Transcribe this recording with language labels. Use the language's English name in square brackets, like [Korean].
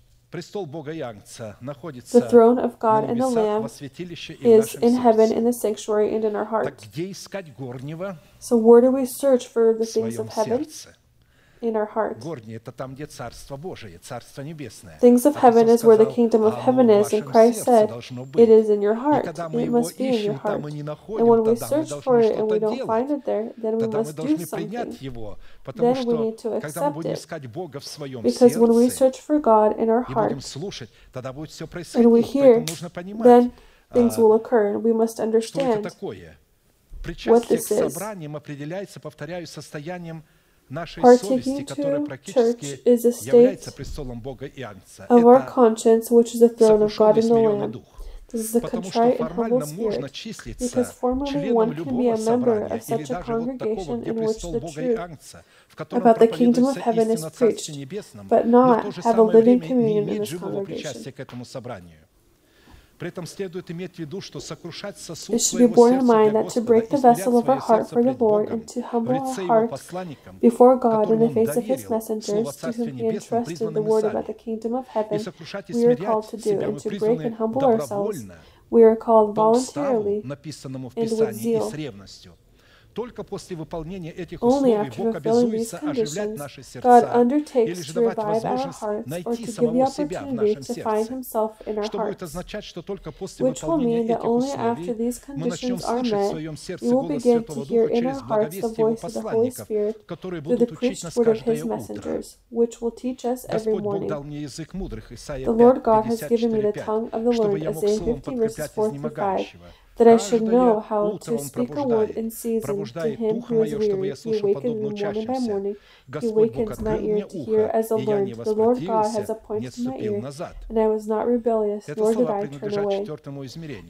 [Russian] Престол Бога и Агнца находится на небесах, во святилище и в нашем [English] heaven, [Russian] сердце. Так где искать горнего? [English] So where do we search for the things of heaven? In our hearts. [Russian] Горнее – это там, где Царство Божие, Царство Небесное. [English] Things of heaven is where the kingdom of heaven is, and Christ said, it is in your heart, it must be in your heart. And when we search for it and we don't find it there, then we must do something. Then we need to accept it. Because when we search for God in our heart, and we hear, then things will occur, and we must understand what this is. [Russian] Собранием определяется, повторяю, состоянием нашей [English] partaking to church is a state of our conscience, which is the throne of God and the Lamb. This is a contrite and humble spirit, because formally one can be a member of such a congregation in which the truth about the kingdom of heaven is preached, but not have a living communion in this congregation. [Russian] При этом следует иметь в виду, что сокрушать сосуд [English] It should be borne in mind that to break the vessel of our heart for the Lord and to humble our heart before God in the face of His messengers to whom He entrusted the word about the kingdom of heaven, we are called to do, and to break and humble ourselves, we are called voluntarily and with zeal. [Russian] Только после выполнения этих условий Бог обязуется оживлять наши сердца или же давать возможность найти самого себя в нашем сердце. Что будет означать, что только после выполнения этих условий мы начнем слышать в своем сердце голос Святого Духа через благовестие Его посланников, которые будут учить нас каждое утро. Господь Бог дал мне язык мудрых, Исаия 5:54-5, чтобы я мог словом подкреплять изнемогающего. [English] That I should know how to speak a word in season to him who is weary. He awakened me morning by morning. He awakens my ear to hear as a learned. The Lord God has appointed my ear, and I was not rebellious, nor did I turn away.